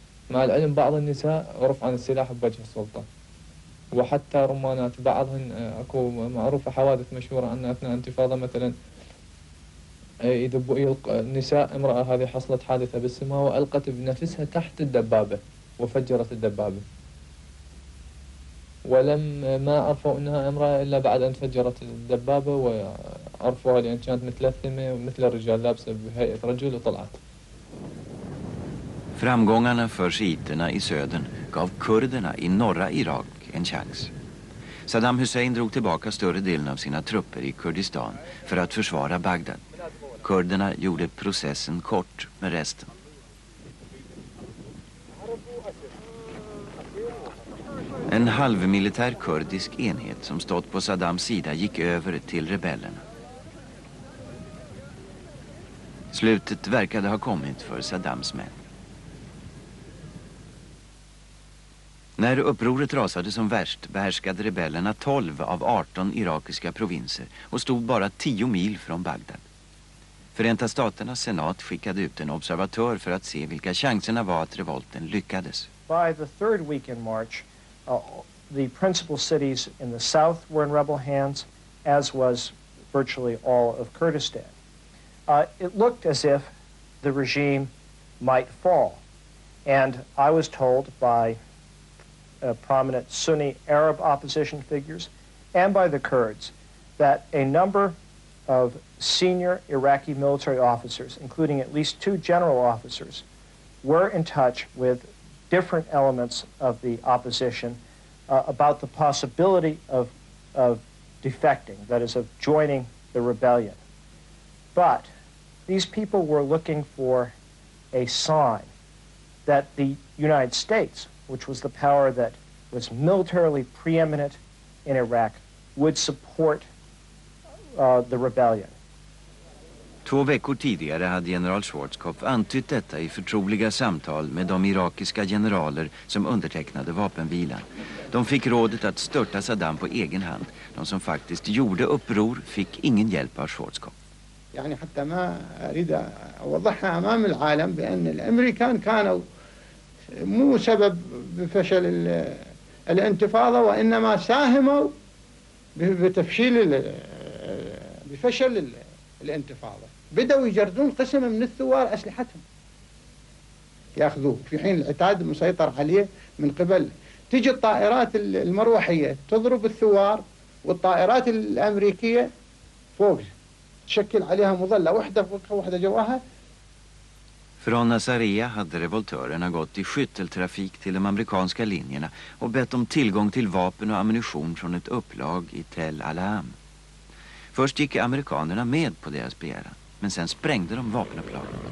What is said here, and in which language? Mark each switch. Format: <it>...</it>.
<ar>مع العلم بعض النساء عرف عن السلاح بوجه السلطة وحتى رمانات بعضهن اكو معروفة حوادث مشهورة أن أثناء انتفاضة مثلا يدبوا النساء امرأة هذه حصلت حادثة بالسماء وألقت بنفسها تحت الدبابة وفجرت الدبابة ولم ما عرفوا انها امراه الا بعد ان فجرت الدبابه وعرفوها لان كانت متلثمه ومثل الرجال لابسه بهيئه رجل وطلعت.</ar> <sv>Framgångarna för shiiterna i södern gav kurderna i norra Irak en chans. Saddam Hussein drog tillbaka större delen av sina trupper i Kurdistan för att försvara Bagdad. Kurderna gjorde processen kort med resten. En halvmilitär kurdisk enhet som stått på Saddams sida gick över till rebellerna. Slutet verkade ha kommit för Saddams män. När upproret rasade som värst behärskade rebellerna 12 av 18 irakiska provinser och stod bara 10 mil från Bagdad. Förenta staternas senat skickade ut en observatör för att se vilka chanserna var att revolten lyckades.</sv> <en>By the third week in March, the principal cities in the south were in rebel hands, as was virtually all of Kurdistan. It looked as if the regime might fall. And I was told by prominent Sunni Arab opposition figures and by the Kurds that a number of senior Iraqi military officers, including at least 2 general officers, were in touch with different elements of the opposition about the possibility of defecting, that is, of joining the rebellion. But these people were looking for a sign that the United States, which was the power that was militarily preeminent in Iraq, would support the rebellion.</en> <sv>2 veckor tidigare hade general Schwarzkopf antytt detta i förtroliga samtal med de irakiska generaler som undertecknade vapenvilan. De fick rådet att störta Saddam på egen hand. De som faktiskt gjorde uppror fick ingen hjälp av Schwarzkopf.</sv> <ar>يعني حتى ما اريد اوضحها امام العالم بان الامريكان كانوا مو سبب بفشل الانتفاضه وانما ساهموا بتفشيل بفشل الانتفاضه. بدأوا يجردون قسم من الثوار أسلحتهم يأخذوه في حين العتاد مسيطر عليه من قبل تجي الطائرات المروحية تضرب الثوار والطائرات الأمريكية فوق تشكل عليها مظلة واحدة فوقها واحدة جواها</ar> <sv>Från Nasaria hade revoltörerna gått i skytteltrafik till de amerikanska linjerna och bett om tillgång till vapen och ammunition från ett upplag i Tel Alam. Först gick amerikanerna med på deras begäran. Men sen sprängde de vapenupplaget.</sv>